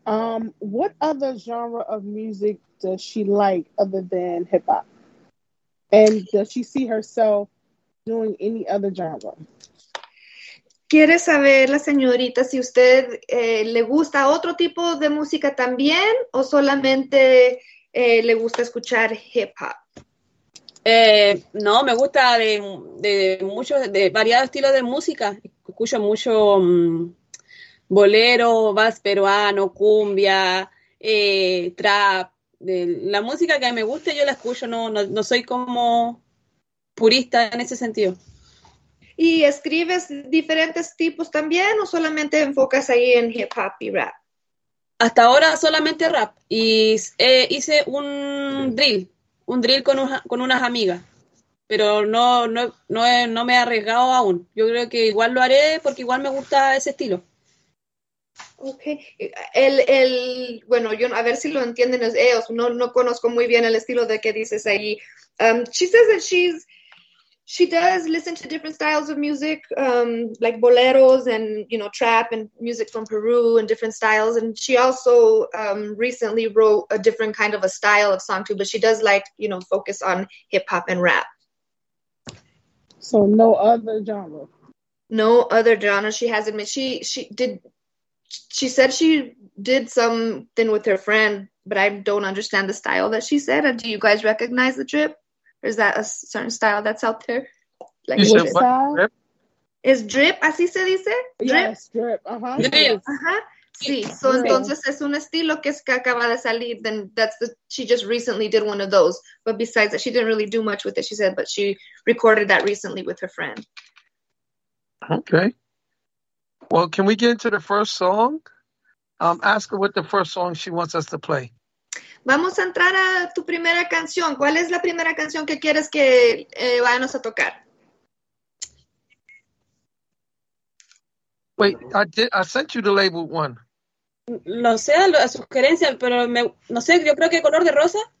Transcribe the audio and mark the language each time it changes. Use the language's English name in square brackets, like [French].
[English] What other genre of music does she like other than hip hop? And does she see herself doing any other genre? [Spanish] ¿Quiere saber la señorita si usted le gusta otro tipo de música también o solamente le gusta escuchar hip hop? No, me gusta de variados estilos de música. Escucho mucho bolero, vals peruano, cumbia, trap, la música que me guste yo la escucho, no soy como purista en ese sentido. ¿Y escribes diferentes tipos también o solamente enfocas ahí en hip hop y rap? Hasta ahora solamente rap y hice un drill con unas amigas, pero no me he arriesgado aún. Yo creo que igual lo haré porque igual me gusta ese estilo. Okay, a ver si lo entienden ellos. No conozco muy bien el estilo de que dices ahí. [English] She says that she does listen to different styles of music, like boleros and, you know, trap and music from Peru and different styles. And she also recently wrote a different kind of a style of song too. But she does like, you know, focus on hip hop and rap. So no other genre. No other genre. She has admitted she did. She said she did something with her friend, but I don't understand the style that she said. Do you guys recognize the drip? Or is that a certain style that's out there? Like, what style? Drip? Is drip, [Spanish] así se dice? [English] Drip? Yes, drip, uh-huh. Drip. Uh-huh. Sí, so okay. [Spanish] Entonces es un estilo que es que acaba de salir. [English] Then that's she just recently did one of those. But besides that, she didn't really do much with it, she said, but she recorded that recently with her friend. Okay. Well, can we get into the first song? Ask her what the first song she wants us to play. [Spanish] Vamos a entrar a tu primera canción. ¿Cuál es la primera canción que quieres que vayamos a tocar? [English] Wait, I sent you the label one. [Spanish] No sé, a sugerencia, pero no sé, yo creo que Color de Rosa.